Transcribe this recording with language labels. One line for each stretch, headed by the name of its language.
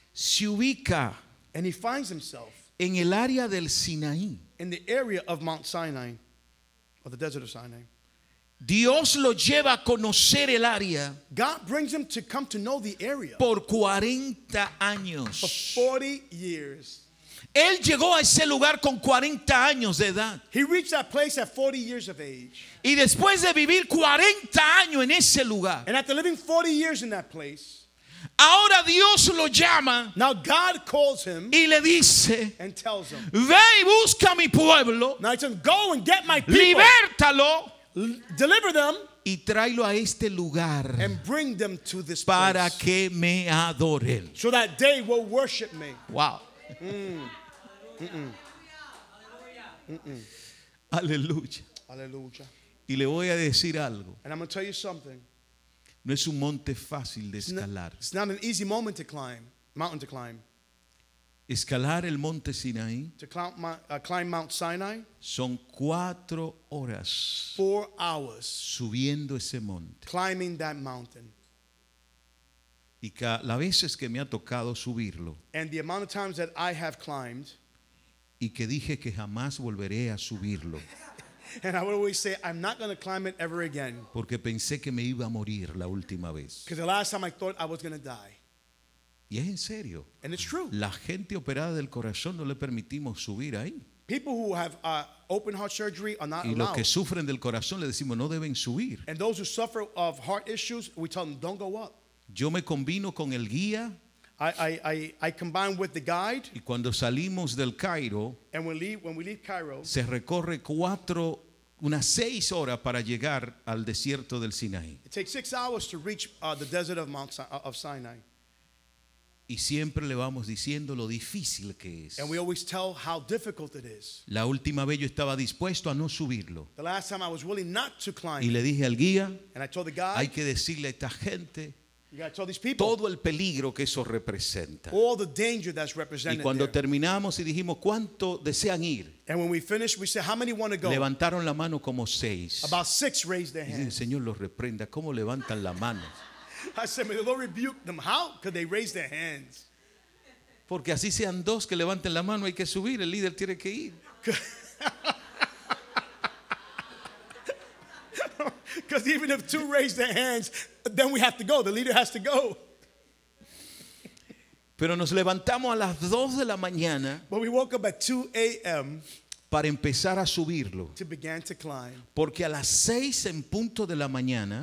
Spanish: Se ubica,
English: and he finds himself
Spanish: en el área del Sinaí.
English: In the area of Mount Sinai, or the desert of Sinai.
Spanish: Dios lo lleva a conocer el área.
English: God brings him to come to know the area.
Spanish: Por 40 años.
English: For 40 years.
Spanish: Él llegó a ese lugar con 40 años de edad.
English: He reached that place at 40 years of age.
Spanish: Y después de vivir 40 años en ese lugar.
English: And after living 40 years in that place.
Spanish: Ahora Dios lo llama.
English: Now God calls him.
Spanish: Y le dice.
English: And tells him.
Spanish: Ve y busca mi pueblo.
English: Now he says, go and get my people.
Spanish: Libertalo.
English: Deliver them
Spanish: y tráelo a este lugar
English: and bring them to this
Spanish: para
English: place
Spanish: que me adoren.
English: So that they will worship me. Wow.
Spanish: Aleluya. Aleluya. Y le voy a decir algo.
English: And I'm going to tell you something.
Spanish: No es un monte fácil de escalar.
English: It's not an easy moment to climb, mountain to climb.
Spanish: Escalar el monte Sinaí.
English: To climb Mount Sinai.
Spanish: Son 4 horas.
English: 4 hours.
Spanish: Subiendo ese monte.
English: Climbing that mountain.
Spanish: Y las veces que me ha tocado subirlo.
English: And the amount of times that I have climbed.
Spanish: Y que dije que jamás volveré a subirlo.
English: And I would always say, I'm not going to climb it ever again.
Spanish: Porque pensé que me iba a morir la última vez.
English: Because the last time I thought I was going to die.
Spanish: Y es en serio.
English: And it's true.
Spanish: La gente operada del corazón no le permitimos subir ahí.
English: People who have open heart surgery are not allowed.
Spanish: Y los que sufren del corazón le decimos no deben subir.
English: And those who suffer of heart issues, we tell them don't go up.
Spanish: Yo me combino con el guía.
English: I combine with the guide.
Spanish: Y cuando salimos del Cairo,
English: and when we leave Cairo,
Spanish: se recorre unas 6 horas para llegar al desierto del Sinaí.
English: It takes 6 hours to reach the desert of Mount Sinai.
Spanish: Y siempre le vamos diciendo lo difícil que es.
English: And we always tell how difficult it is.
Spanish: La última vez yo estaba dispuesto a no subirlo.
English: The last time I was willing not to climb.
Spanish: Y le dije al guía.
English: And I told the guide.
Spanish: Hay que decirle a esta gente.
English: You gotta tell these people.
Spanish: Todo el peligro que eso representa.
English: All the danger that's represented.
Spanish: Y cuando
English: there.
Spanish: Terminamos y dijimos cuánto desean ir.
English: And when we finished, we said how many want to go.
Spanish: Levantaron la mano como 6.
English: About 6 raised their hands.
Spanish: Y dije, Señor, los reprenda. ¿Cómo levantan la mano?
English: I said, may the Lord rebuke them. How could they raise their hands?
Spanish: Porque así sean dos que levanten la mano, hay que subir. El líder tiene que ir.
English: Because even if 2 raise their hands, then we have to go. The leader has to go.
Spanish: Pero nos levantamos a las 2 de la mañana.
English: But we woke up at 2 a.m.
Spanish: para empezar a subirlo.
English: To begin to climb.
Spanish: Porque a las 6 en punto de la mañana,